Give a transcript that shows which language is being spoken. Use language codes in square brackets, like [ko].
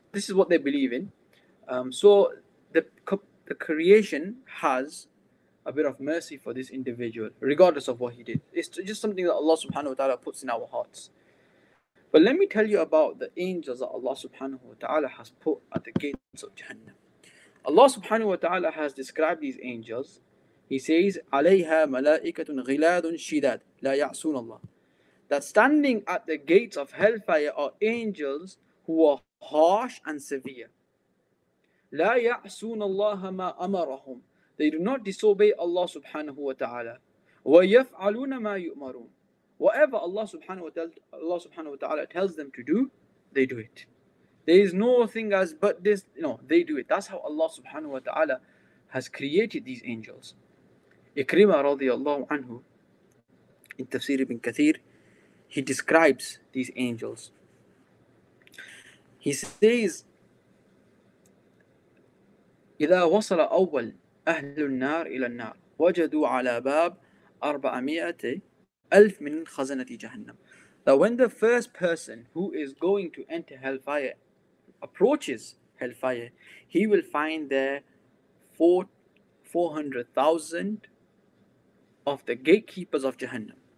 [en] This is what they believe in. So the creation has a bit of mercy for this individual, regardless of what he did. It's just something that Allah subhanahu wa ta'ala puts in our hearts. But let me tell you about the angels that Allah subhanahu wa ta'ala has put at the gates of Jahannam. Allah subhanahu wa ta'ala has described these angels. He says, [ar] عَلَيْهَا مَلَائِكَةٌ غِلَادٌ شِدَادٌ لَا يَعْصُونَ اللَّهِ. [en] That standing at the gates of hellfire are angels who are harsh and severe. [ar] لا يعصون الله ما أمرهم. [en] They do not disobey Allah subhanahu wa ta'ala. [ar] ويفعلون ما يؤمرون. [en] Whatever Allah subhanahu wa ta'ala tells them to do, they do it. There is no thing as but this. No, they do it. That's how Allah subhanahu wa ta'ala has created these angels. Ikrima radiallahu anhu, in Tafsir ibn Kathir, he describes these angels. He says, [ar] إِذَا وَصَلَ أَوَّلْ أَهْلُ النَّارِ إِلَى النَّارِ وَجَدُوا عَلَى بَابْ 400,000 مِنْ خَزَنَةِ جَهَنَّمْ. [en] That when the first person who is going to enter hellfire approaches hellfire, he will find there 400,000 of the gatekeepers of Jahannam.